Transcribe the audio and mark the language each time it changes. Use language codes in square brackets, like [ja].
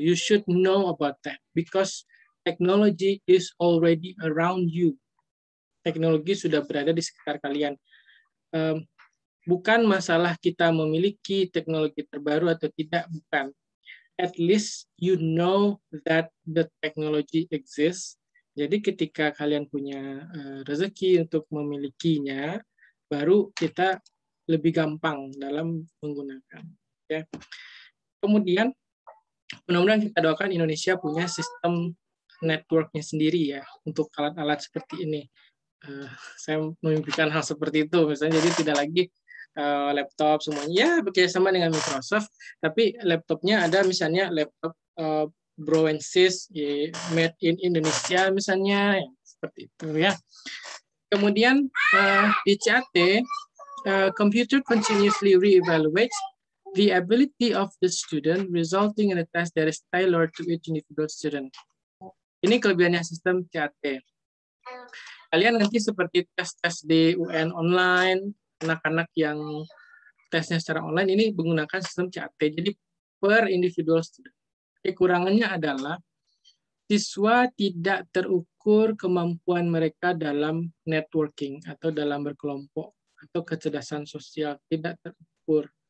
[en] You should know about that because technology is already around you. [id] Teknologi sudah berada di sekitar kalian. Bukan masalah kita memiliki teknologi terbaru atau tidak, bukan. [en] At least you know that the technology exists. [id] Jadi ketika kalian punya rezeki untuk memilikinya, baru kita lebih gampang dalam menggunakan. Ya. Kemudian, mudah-mudahan kita doakan Indonesia punya sistem networknya sendiri ya untuk alat-alat seperti ini. Saya memimpikan hal seperti itu, misalnya jadi tidak lagi laptop semuanya ya bekerjasama dengan Microsoft, tapi laptopnya ada misalnya laptop Broensis [en] made in Indonesia [id] misalnya ya, seperti itu ya. Kemudian di [en] CAT, computer continuously reevaluates the ability of the student, resulting in a test that is tailored to each individual student. [id] Ini kelebihannya sistem CAT. Kalian nanti seperti tes-tes di UN online, anak-anak yang tesnya secara online ini menggunakan sistem CAT. Jadi per [en] individual student. [id] Kekurangannya adalah siswa tidak terukur kemampuan mereka dalam networking atau dalam berkelompok atau kecerdasan sosial tidak terukur.